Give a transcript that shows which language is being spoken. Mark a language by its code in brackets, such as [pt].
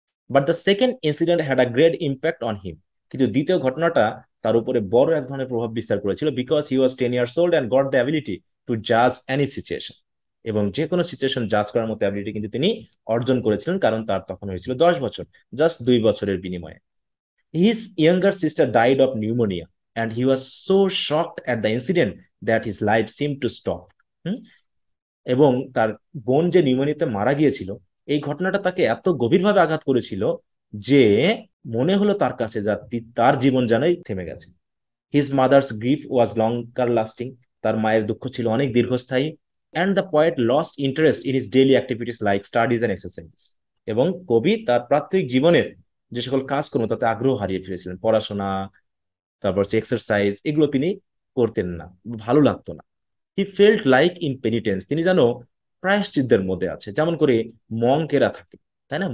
[en] but the second incident had a great impact on him, [bn] কিন্তু দ্বিতীয় ঘটনাটা তার উপরে বড় এক ধরনের প্রভাব বিস্তার করেছিল, [en] because he was 10 years old and got the ability to জাজ any situation, [bn] এবং যে কোনো সিচুয়েশন জাজ করার মতো অ্যাবিলিটি কিন্তু তিনি অর্জন করেছিলেন, কারণ তার তখন হয়েছিল 10 বছর, জাস্ট 2 বছরের বিনিময়ে। [en] His younger sister died of pneumonia and he was so shocked at the incident that his life seemed to stop. [bn] এবং তার বোন যে নিউমোনিয়াতে মারা গিয়েছিল, এই ঘটনাটা তাকে এত গভীরভাবে আঘাত করেছিল যে মনে হলো তার কাছে যা তার জীবন যেনই থেমে গেছে। [en] His mother's grief was longer lasting, [bn] তার মায়ের দুঃখ ছিল অনেক দীর্ঘস্থায়ী। [en] And the poet lost interest in his daily activities like studies and exercises. [bn] এবং কবি তার প্রাত্যহিক জীবনের যে সকল কাজকর্ম তাতে আগ্রহ হারিয়ে ফেলেছিলেন, পড়াশোনা, তারপর হচ্ছে এক্সারসাইজ, এগুলো তিনি করতেন না, ভালো লাগতো না। [en] he felt like in penitence, [bn] তিনি যেন প্রায়শ্চিত্তের মধ্যে আছে, যেমন করে মঙ্কেরা থাকে, তাই না?